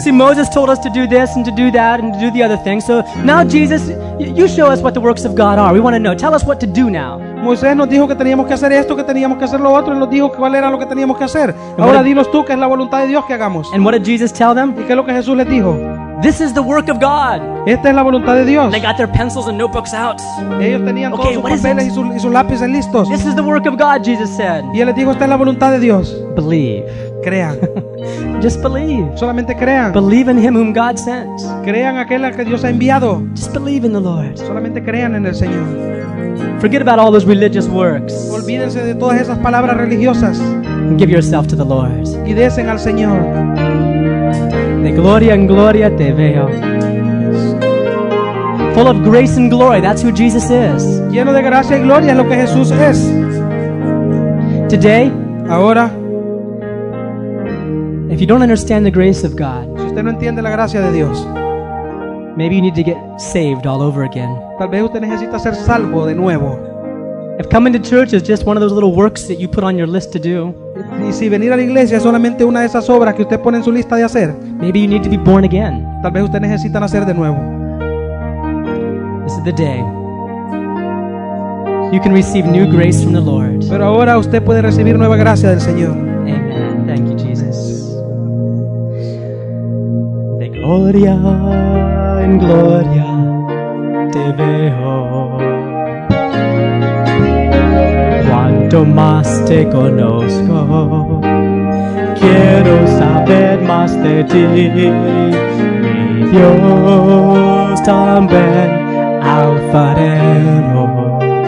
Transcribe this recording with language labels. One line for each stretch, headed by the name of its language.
English: See, Moses told us to do this and to do that and to do the other thing. So now, Jesus, you show us what the works of God are. We want to know. Tell us what to do now.
Spanish: Moisés nos dijo que teníamos que hacer esto, que teníamos que hacer lo otro. Él nos dijo cuál era lo que teníamos que hacer. Ahora dinos tú qué es la voluntad de Dios que hagamos.
English: And what did Jesus tell them?
Spanish: ¿Y qué es lo que Jesús les dijo?
English: This is the work of God.
Spanish: Esta es la voluntad de Dios.
English: They got their pencils and notebooks out.
Spanish: Ellos tenían
English: okay,
Spanish: todos sus papeles y sus lápices listos.
English: This is the work of God, Jesus said.
Spanish: Y él les dijo, esta es la voluntad de Dios.
English: Believe.
Spanish: Crean.
English: Just believe.
Spanish: Solamente crean.
English: Believe in him whom God sent.
Spanish: Crean aquel a que Dios ha enviado.
English: Just believe in the Lord.
Spanish: Solamente crean en el Señor.
English: Forget about all those religious works.
Spanish: Olvídense de todas esas palabras religiosas.
English: Give yourself to the Lord.
Spanish: Y desen al Señor. De gloria en gloria te veo.
English: Full of grace and glory, that's who Jesus is.
Spanish: Lleno de gracia y gloria es lo que Jesús es.
English: Today,
Spanish: ahora,
English: if you don't understand the grace of God,
Spanish: si usted no entiende la gracia de Dios,
English: maybe you need to get saved all over again.
Spanish: Tal vez usted necesita ser salvo de nuevo.
English: If coming to church is just one of those little works that you put on your list to do,
Spanish: y si venir a la iglesia es solamente una de esas obras que usted pone en su lista de hacer,
English: maybe you need to be born again.
Spanish: Tal vez usted necesita nacer de nuevo.
English: This is the day you can receive new grace from the Lord.
Spanish: Pero ahora usted puede recibir nueva gracia del Señor.
English: Amen. Thank you, Jesus.
Spanish: De gloria en gloria te veo. Cuanto más te conozco, quiero saber más de ti, mi Dios también, alfarero.